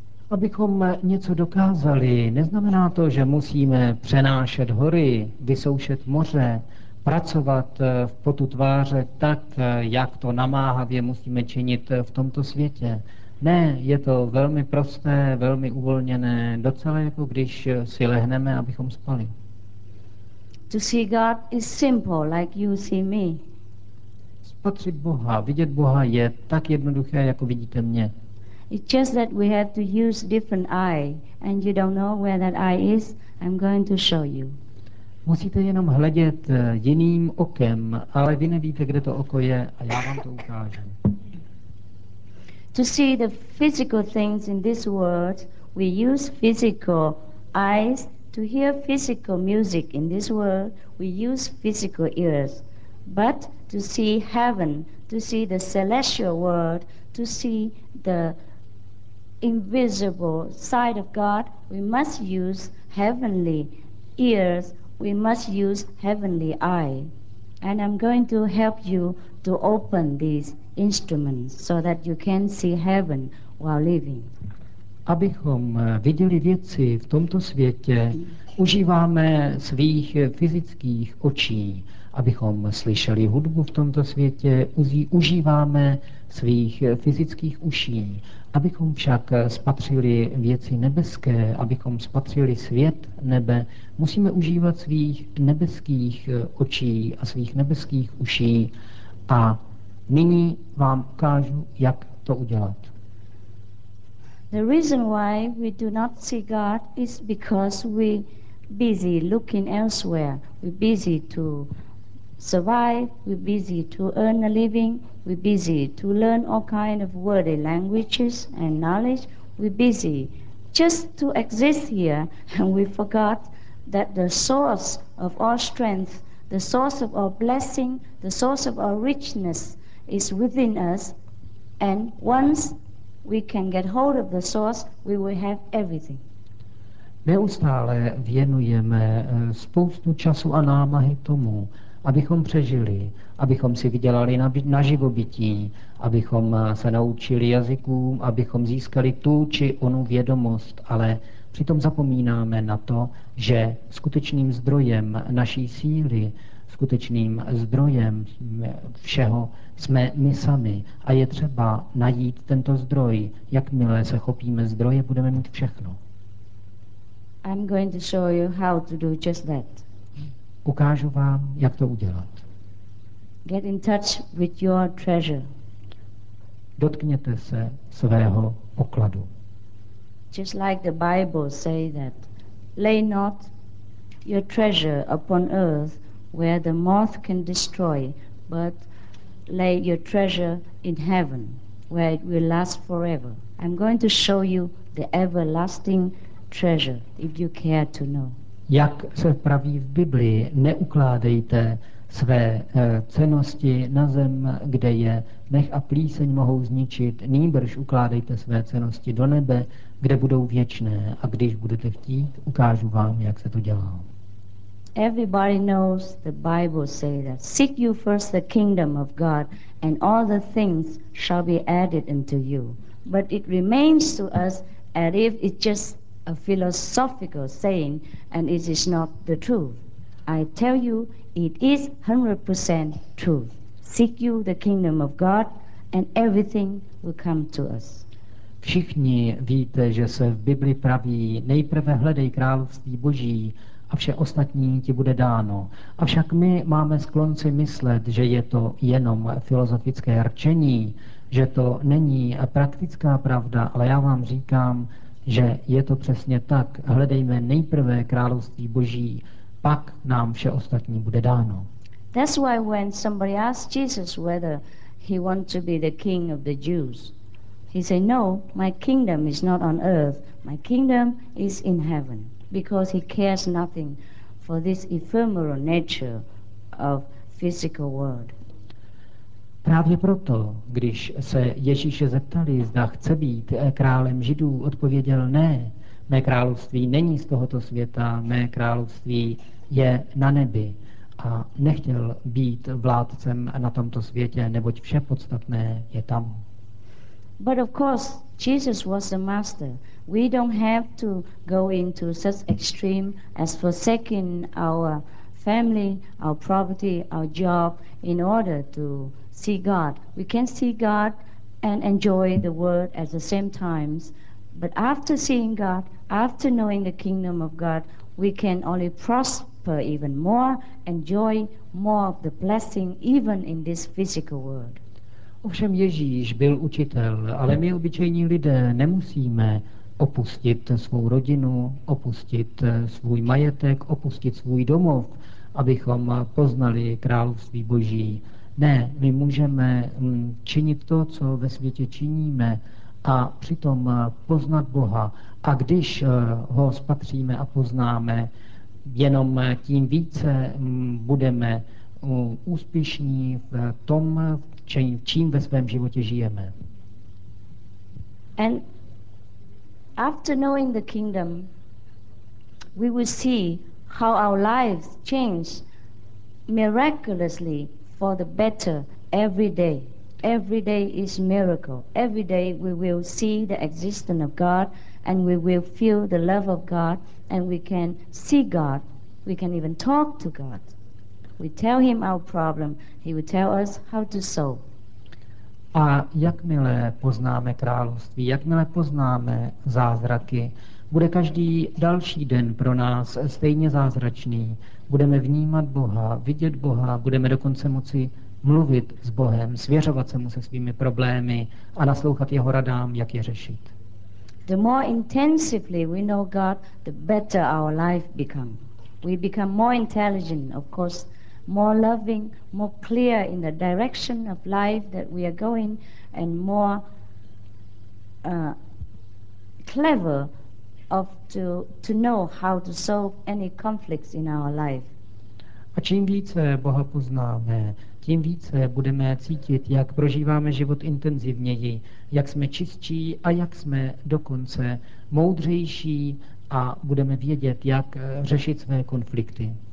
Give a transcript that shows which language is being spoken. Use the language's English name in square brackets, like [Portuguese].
[Czech] Abychom něco dokázali, neznamená to, že musíme přenášet hory, vysoušet moře, pracovat v potu tváře tak, jak to namáhavě musíme činit v tomto světě. Ne, je to velmi prosté, velmi uvolněné, docela jako když si lehneme, abychom spali. [English] To see God is simple, like you see me. [Czech] Spatřit Boha, vidět Boha je tak jednoduché, jako vidíte mě. [English] It's just that we have to use different eye, and you don't know where that eye is. I'm going to show you. [Czech] Musíte jenom hledět jiným okem, ale vy nevíte, kde to oko je, a já vám to ukážu. [English] To see the physical things in this world, we use physical eyes. To hear physical music in this world, we use physical ears. But to see heaven, to see the celestial world, to see the invisible side of God, we must use heavenly ears, we must use heavenly eye. And I'm going to help you to open these instruments so that you can see heaven while living. [Czech] Abychom viděli věci v tomto světě, užíváme svých fyzických očí. Abychom slyšeli hudbu v tomto světě, užíváme svých fyzických uší. Abychom však spatřili věci nebeské, abychom spatřili svět nebe, musíme užívat svých nebeských očí a svých nebeských uší. A nyní vám ukážu, jak to udělat. [English] The reason why we do not see God is because we busy looking elsewhere. We busy to survive, we busy to earn a living, we busy to learn all kind of worldly languages and knowledge. We busy just to exist here, and we forgot that the source of all strength, the source of all blessing, the source of all richness is within us, and once we can get hold of the source, we will have everything. [Czech] Neustále věnujeme spoustu času a námahy tomu, abychom přežili, abychom si vydělali na živobytí, abychom se naučili jazykům, abychom získali tu či onu vědomost, ale Přitom zapomínáme na to, že skutečným zdrojem naší síly, skutečným zdrojem všeho jsme my sami. A je třeba najít tento zdroj. Jakmile se chopíme zdroje, budeme mít všechno. [English] I'm going to show you how to do just that. [Czech] Ukážu vám, jak to udělat. [English] Get in touch with your treasure. [Czech] Dotkněte se svého pokladu. [English] Just like the Bible say that, lay not your treasure upon earth where the moth can destroy, but lay your treasure in heaven where it will last forever. I'm going to show you the everlasting treasure if you care to know. [Czech] Jak se praví v Biblii, neukládejte své cennosti na zem, kde je mech a plíseň mohou zničit, nýbrž ukládejte své cennosti do nebe, kde budou věčné, a když budete chtít, ukážu vám, jak se to dělá. [English] Everybody knows the Bible says that seek you first the kingdom of God and all the things shall be added unto you. But it remains to us as if it's just a philosophical saying and it is not the truth. I tell you, it is 100% truth. Seek you the kingdom of God and everything will come to us. [Czech] Všichni víte, že se v Bibli praví, nejprve hledej království Boží a vše ostatní ti bude dáno. Avšak my máme sklon si myslet, že je to jenom filozofické rčení, že to není praktická pravda, ale já vám říkám, že je to přesně tak. Hledejme nejprve království Boží, pak nám vše ostatní bude dáno. [English] That's why when somebody asked Jesus whether he wants to be the king of the Jews, he said, no, my kingdom is not on earth, my kingdom is in heaven, because he cares nothing for this ephemeral nature of physical world. [Czech] Právě proto, když se Ježíše zeptali, zda chce být králem Židů, odpověděl ne, mé království není z tohoto světa, mé království je na nebi, a nechtěl být vládcem na tomto světě, neboť vše podstatné je tam. [English] But of course, Jesus was the master. We don't have to go into such extreme as forsaking our family, our property, our job in order to see God. We can see God and enjoy the world at the same times. But after seeing God, after knowing the kingdom of God, we can only prosper even more, enjoy more of the blessing even in this physical world. [Czech] Ovšem Ježíš byl učitel, ale my obyčejní lidé nemusíme opustit svou rodinu, opustit svůj majetek, opustit svůj domov, abychom poznali království Boží. Ne, my můžeme činit to, co ve světě činíme, a přitom poznat Boha. A když ho spatříme a poznáme, jenom tím více budeme úspěšní v tom, čím ve svém životě žijeme. [English] And after knowing the kingdom, we will see how our lives change miraculously for the better every day. Every day is miracle. Every day we will see the existence of God and we will feel the love of God and we can see God. We can even talk to God. We tell him our problem, he will tell us how to solve. [Czech] A jakmile poznáme království, jakmile poznáme zázraky, bude každý další den pro nás stejně zázračný. Budeme vnímat Boha, vidět Boha, budeme dokonce moci mluvit s Bohem, svěřovat se mu se svými problémy a naslouchat jeho radám, jak je řešit. [English] The more intensively we know God, the better our life become. We become more intelligent, of course, more loving, more clear in the direction of life that we are going, and more clever of to know how to solve any conflicts in our life. [Czech] A čím více Boha poznáme, tím více budeme cítit, jak prožíváme život intenzivněji, jak jsme čistší a jak jsme dokonce moudřejší, a budeme vědět, jak řešit své konflikty.